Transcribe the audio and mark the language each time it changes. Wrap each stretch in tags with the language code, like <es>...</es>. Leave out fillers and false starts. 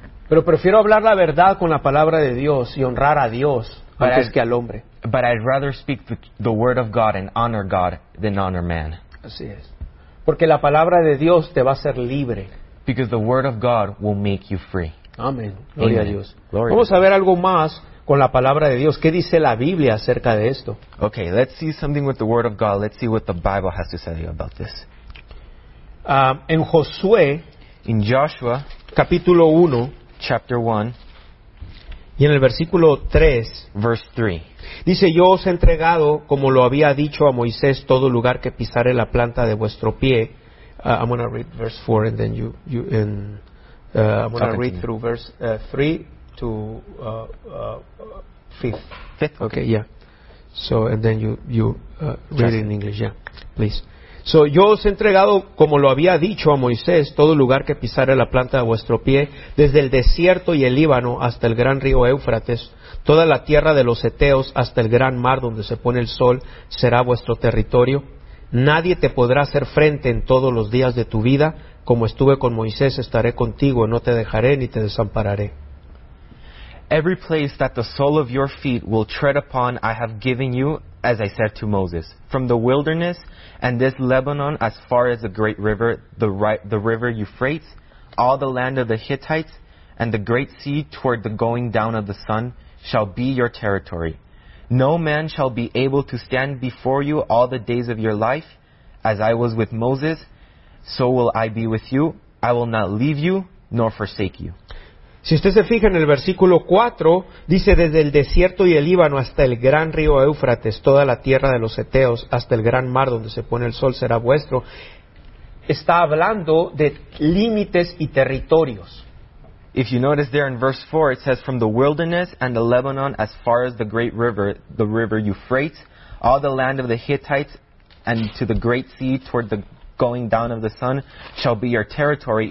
<es>Pero prefiero hablar la verdad con la palabra de Dios y honrar a Dios antes que al hombre.</es> <en>But I'd rather speak the word of God and honor God than honor man.</en> <es>Así es. Porque la palabra de Dios te va a hacer libre.</es> <en>Because the word of God will make you free.</en> <es>Amén. Gloria a Dios. Glory. Vamos a ver algo más con la palabra de Dios. ¿Qué dice la Biblia acerca de esto?</es> <en>Okay, let's see something with the word of God. Let's see what the Bible has to say about this.</en> <es>En Josué,</es> <en>in Joshua,</en> <es>capítulo 1,</es> <en>chapter 1,</en> <es>y en el versículo 3,</es> <en>verse 3,</en> <es>dice: Yo os he entregado, como lo había dicho a Moisés, todo lugar que pisare la planta de vuestro pie.</es> <en>I'm going to read verse 4 and then I'm going to read through verse 3 to 5. Okay, yeah. So, and then you read it in English, yeah, please.</en> <es>So, yo os he entregado, como lo había dicho a Moisés, todo lugar que pisare la planta de vuestro pie, desde el desierto y el Líbano hasta el gran río Éufrates, toda la tierra de los Eteos hasta el gran mar donde se pone el sol, será vuestro territorio. Nadie te podrá hacer frente en todos los días de tu vida. Como estuve con Moisés, estaré contigo, no te dejaré ni te desampararé.</es> <en>Every place that the sole of your feet will tread upon, I have given you, as I said to Moses, from the wilderness and this Lebanon as far as the great river, the river Euphrates, all the land of the Hittites and the great sea toward the going down of the sun shall be your territory. No man shall be able to stand before you all the days of your life. As I was with Moses, so will I be with you. I will not leave you nor forsake you.</en> <es>Si usted se fija en el versículo 4, dice: desde el desierto y el Líbano hasta el gran río Éufrates, toda la tierra de los Eteos, hasta el gran mar donde se pone el sol será vuestro. Está hablando de límites y territorios.</es> <en>If you notice there in verse 4, it says, from the wilderness and the Lebanon as far as the river Euphrates, all the land of the Hittites and to the great sea toward the going down of the sun shall be your territory.</en>